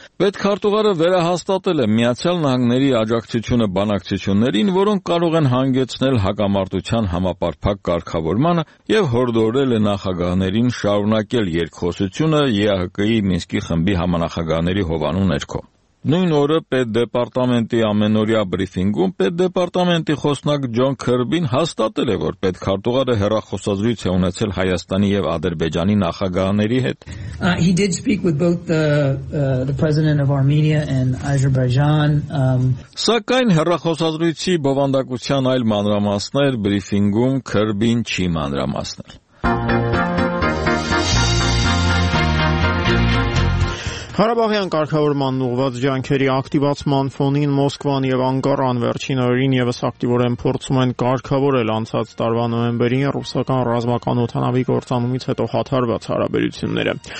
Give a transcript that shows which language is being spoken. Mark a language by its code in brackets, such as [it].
[hy] Պետքարտուղարը վերահաստատել է Միացյալ Նահանգների աջակցությունը բանակցություններին, որոնք կարող են հանգեցնել հակամարտության համապարփակ կարգավորմանը, և հորդորել է նախագահներին շարունակել երկխոսությունը ԵԱՀԿ-ի Մինսկի խմբի համանախագահների հովանու ներքո։ Նույն օրը պետդեպարտամենտի ամենօրյա բրիֆինգում պետդեպարտամենտի խոսնակ Ջոն Քերբին հաստատել է, որ պետքարտուղարը հեռախոսազրույց է ունեցել Հայաստանի և Ադրբեջանի նախագահների հետ։ [en] He did speak with both the president of Armenia and Azerbaijan. [hy] Սակայն հեռախոսազրույցի բովանդակության այլ մանրամասներ բրիֆինգում Քերբին չի մանրամասնել։ Ղարաբաղյան կարգավորման ուղղված ջանքերի ակտիվացման ֆոնին Մոսկվան եւ Անկարան վերջին օրերին եւս ակտիվորեն փորձում են կարգավորել անցած տարվա նոեմբերին ռուսական ռազմական օթանավի գործանումից հետո հաթարված հարաբերությունները։